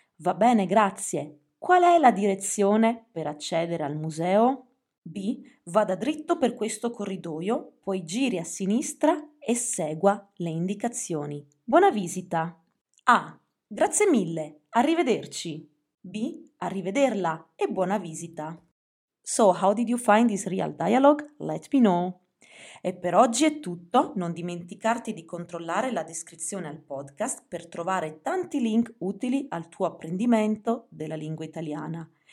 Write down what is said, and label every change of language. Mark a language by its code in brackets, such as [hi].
[it] Va bene, grazie. Qual è la direzione per accedere al museo? B. Vada dritto per questo corridoio, poi giri a sinistra e segua le indicazioni. Buona visita! A. Grazie mille, arrivederci! B. Arrivederla e buona visita! [en] So, how did you find this real dialogue? Let me know! [it] E per oggi è tutto, non dimenticarti di controllare la descrizione al podcast per trovare tanti link utili al tuo apprendimento della lingua italiana.